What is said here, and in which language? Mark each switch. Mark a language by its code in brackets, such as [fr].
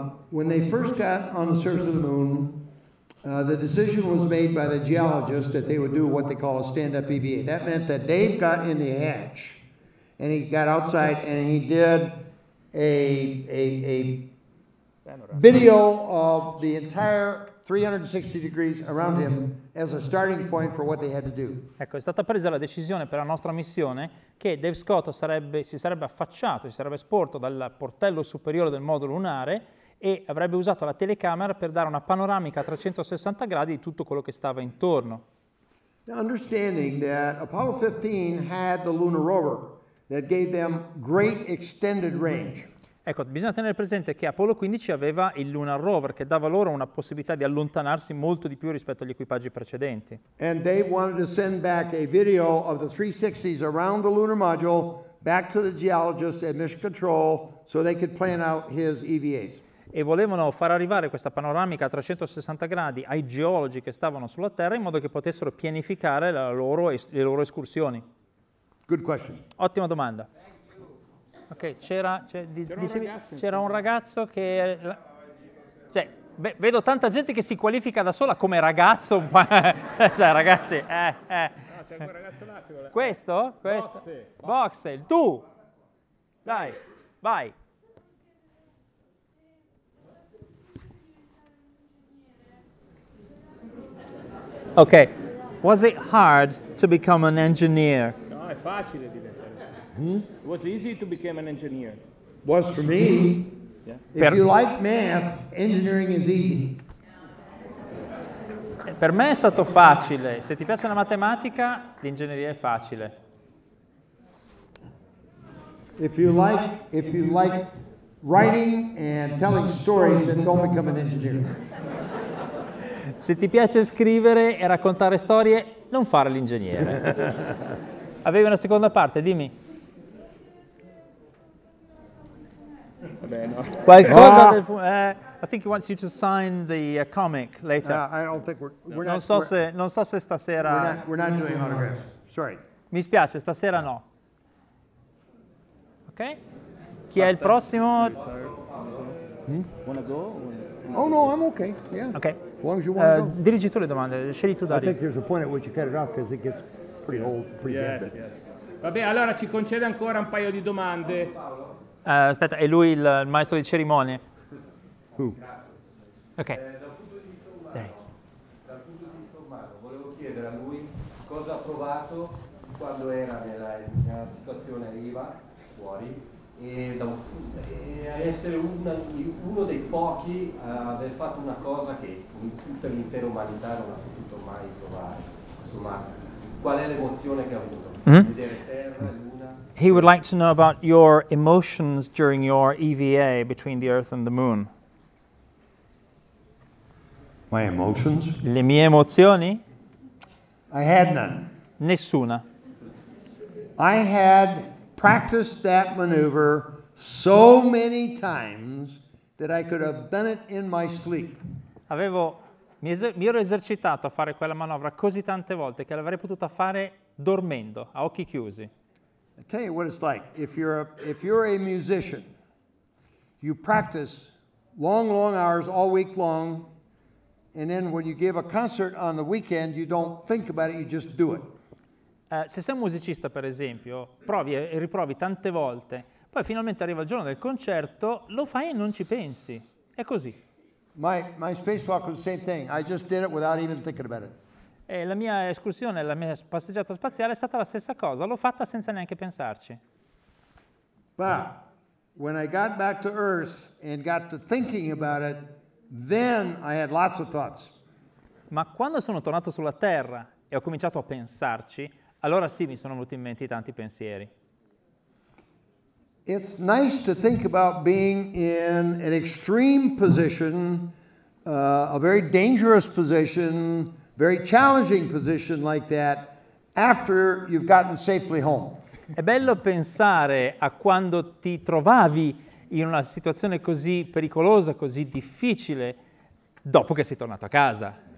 [en] When they first got on the surface of the moon, the decision was made by the geologists that they would do what they call a stand-up EVA. That meant that Dave got in the hatch. And he got outside and he did a video of the entire 360 degrees around him as a starting point for what they had to do. [it] Ecco, è stata presa la decisione per la nostra missione che Dave Scott si sarebbe sporto dal portello superiore del modulo lunare e avrebbe usato la telecamera per dare una panoramica a 360 gradi di tutto quello che stava intorno. [en] Now understanding that Apollo 15 had the lunar rover that gave them great extended range. [it] Ecco, bisogna tenere presente che Apollo 15 aveva il Lunar Rover che dava loro una possibilità di allontanarsi molto di più rispetto agli equipaggi precedenti. [en] And Dave wanted to send back a video of the 360s around the lunar module back to the geologists at Mission Control so they could plan out his EVAs. [it] E volevano far arrivare questa panoramica a 360 gradi ai geologi che stavano sulla Terra in modo che potessero pianificare le loro escursioni. [en] Good question. [it] Ottima domanda. Ok, c'era un ragazzo che... vedo tanta gente che si qualifica da sola come ragazzo, ma... cioè, ragazzi... No, c'è quel ragazzo là che vuole... Questo? Questo? Boxel, tu! Dai, vai! [en] Ok, was it hard to become an engineer? [it] No, è facile dire. [en] It was easy to become an engineer. Was for me. Yeah. If you like math, engineering is easy. [it] Per me è stato facile. Se ti piace la matematica, l'ingegneria è facile. [en] If you like writing and telling stories, then don't become an engineer. [it] Se ti piace scrivere e raccontare storie, non fare l'ingegnere. Avevi una seconda parte, dimmi. Qualcosa del [en] I think he wants you to sign the comic later. [it] Non so se stasera. [en] We're not doing autographs. Sorry. [it] Mi spiace, stasera no. Ok? Chi è il prossimo? [en] Wanna go? Oh no, I'm okay. Yeah. Okay. As long as you want to go. [it] Dirigi tu le domande, scegli tu, Dario. [en] I think there's a point at which you cut it off because it gets pretty old, pretty yes, bad. Yes. [it] Vabbè, allora ci concede ancora un paio di domande. Aspetta, è lui il maestro di cerimonie? Who? Ok. Dal punto di vista umano, volevo chiedere a lui cosa ha provato quando era nella situazione arriva fuori e essere uno dei pochi a aver fatto una cosa che in tutta l'intera umanità non ha potuto mai provare. Insomma, qual è l'emozione che ha avuto? Vedere Terra, Luna. [en] He would like to know about your emotions during your EVA between the Earth and the Moon. My emotions? [it] Le mie emozioni? [en] I had none. [it] Nessuna. [en] I had practiced that maneuver so many times that I could have done it in my sleep. [it] Mi ero esercitato a fare quella manovra così tante volte che l'avrei potuta fare dormendo, a occhi chiusi. [en] I tell you what it's like. If you're a musician, you practice long, long hours all week long, and then when you give a concert on the weekend, you don't think about it, you just do it. [it] Se sei un musicista, per esempio, provi e riprovi tante volte, poi finalmente arriva il giorno del concerto, lo fai e non ci pensi. È così. [en] My spacewalk was the same thing. I just did it without even thinking about it. [it] E la mia escursione, la mia passeggiata spaziale è stata la stessa cosa, l'ho fatta senza neanche pensarci. [en] But when I got back to Earth and got to thinking about it, then I had lots of thoughts. [it] Ma quando sono tornato sulla Terra e ho cominciato a pensarci, allora sì, mi sono venuti in mente tanti pensieri. [en] It's nice to think about being in an extreme position, a very dangerous position, very challenging position like that after you've gotten safely home. [it] È bello pensare a quando ti trovavi in una situazione così pericolosa, così difficile, dopo che sei tornato a casa.